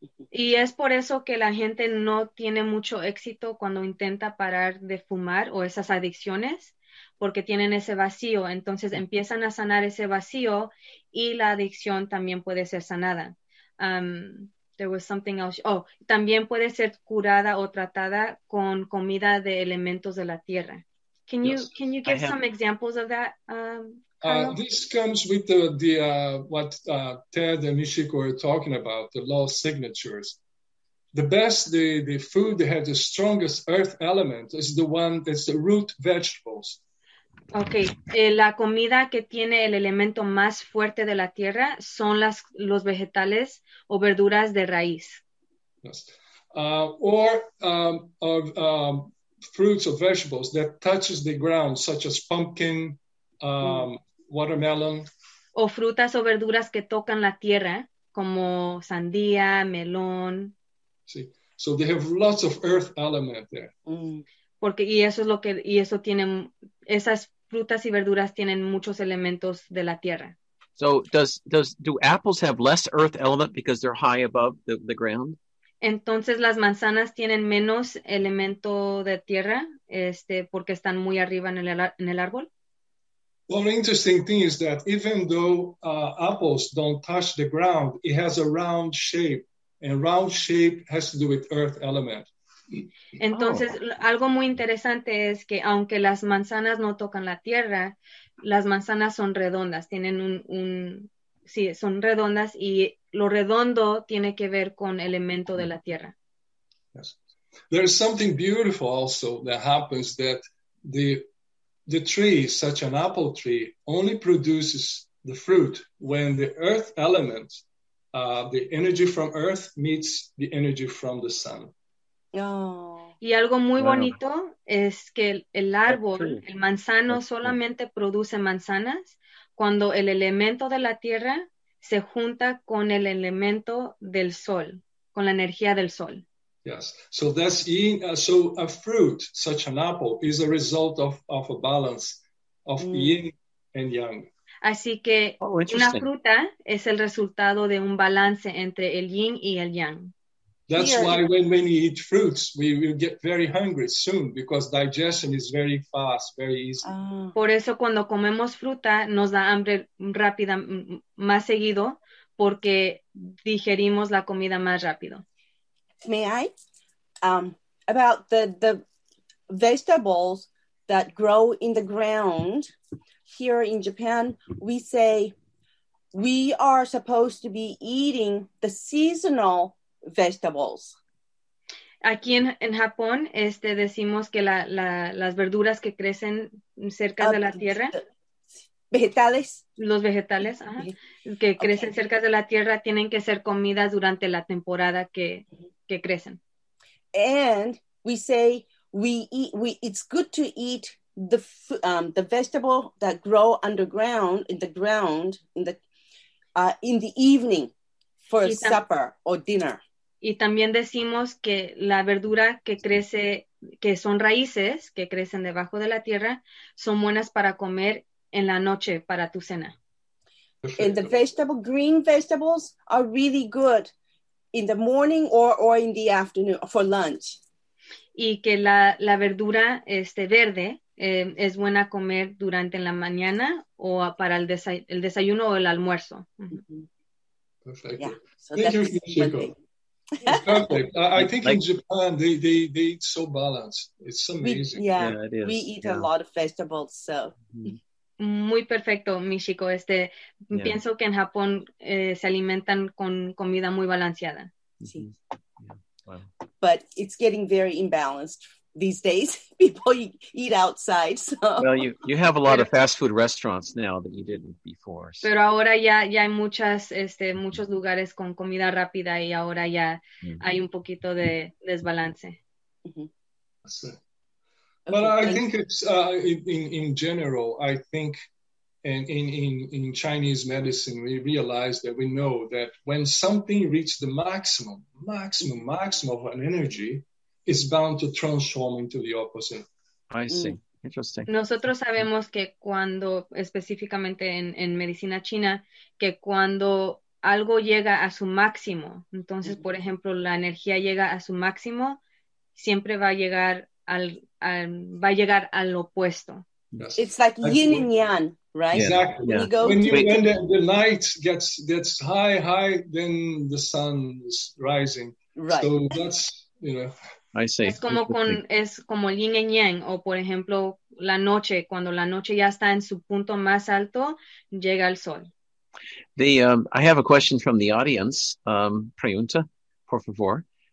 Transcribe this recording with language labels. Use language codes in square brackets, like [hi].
[es] Y es por eso que la gente no tiene mucho éxito cuando intenta parar de fumar o esas adicciones. Porque tienen ese vacío, entonces empiezan a sanar ese vacío y la adicción también puede ser sanada. [en] There was something else. [es] Oh, también puede ser curada o tratada con comida de elementos de la tierra. [en] Can you give some examples of that? This comes with what Ted and Ishiko are talking about, the law signatures. The best, the food that has the strongest earth element is the one that's the root vegetables. [es] Okay, la comida que tiene el elemento más fuerte de la tierra son los vegetales o verduras de raíz. [en] Yes. Or fruits or vegetables that touches the ground, such as pumpkin, watermelon. [es] O frutas o verduras que tocan la tierra, como sandía, melón. Sí, [en] so they have lots of earth element there. [es] Porque y eso es lo que y eso tienen esas frutas y verduras tienen muchos elementos de la tierra. [en] So do apples have less earth element because they're high above the ground? [es] Entonces las manzanas tienen menos elemento de tierra porque están muy arriba en el árbol. [en] Well, the interesting thing is that even though apples don't touch the ground, it has a round shape, and round shape has to do with earth element. [es] Entonces, algo muy interesante es que aunque las manzanas no tocan la tierra, las manzanas son redondas, tienen sí, son redondas y lo redondo tiene que ver con elemento de la tierra. [en] Yes. There's something beautiful also that happens that the tree, such an apple tree, only produces the fruit when the earth element, the energy from earth meets the energy from the sun. Oh. [es] Y algo muy bonito es que el árbol, el manzano, solamente produce manzanas cuando el elemento de la tierra se junta con el elemento del sol, con la energía del sol. [en] Yes, so that's so a fruit, such an apple, is a result of a balance of yin and yang. [es] Así que una fruta es el resultado de un balance entre el yin y el yang. [en] That's here. Why when we eat fruits, we will get very hungry soon because digestion is very fast, very easy. Ah. [es] Por eso cuando comemos fruta nos da hambre rápida más seguido porque digerimos la comida más rápido. [en] May I? About the vegetables that grow in the ground here in Japan, we say we are supposed to be eating the seasonal vegetables. [es] Aquí en Japón, decimos que las verduras que crecen cerca de la tierra. Vegetales. Los vegetales, ajá, que crecen cerca de la tierra tienen que ser comidas durante la temporada que crecen. [en] And we say it's good to eat the vegetable that grow underground in the evening for supper or dinner. [es] Y también decimos que la verdura que crece, que son raíces, que crecen debajo de la tierra, son buenas para comer en la noche para tu cena. [en] And the vegetable, green vegetables are really good in the morning or in the afternoon for lunch. [es] Y que la verdura verde es buena comer durante la mañana o para el desayuno o el almuerzo. [en] Mm-hmm. [es] Perfecto. [en] Yeah. So thank you, Chico. Perfect. I think in Japan they eat so balanced. It's amazing. Yeah, it is. We eat a lot of vegetables, so. [es] Muy perfecto, Michiko. Pienso que en Japón se alimentan con comida muy balanceada. Mm-hmm. Sí. Yeah. Wow. [en] But it's getting very imbalanced these days. People eat outside, so. Well, you have a lot of fast food restaurants now that you didn't before. So. [es] Pero ahora ya hay muchas muchos lugares con comida rápida y ahora ya hay un poquito de desbalance. Mm-hmm. [en] But I think it's in general. I think in Chinese medicine, we realize that we know that when something reaches the maximum of an energy. Is bound to transform into the opposite. I see. Interesting. [es] Nosotros sabemos que cuando, específicamente en medicina china, que cuando algo llega a su máximo, entonces, por ejemplo, la energía llega a su máximo, siempre va a llegar al opuesto. [en] Yes. It's like yin and yang, right? Yeah. Exactly. Yeah. When the light gets high, then the sun is rising. Right. So that's, I see. [es] Es como yin y yang, o por ejemplo, la noche, cuando la noche ya está en su punto más alto, llega el sol. [en] I have a question from the audience. [es] Pregunta, por favor.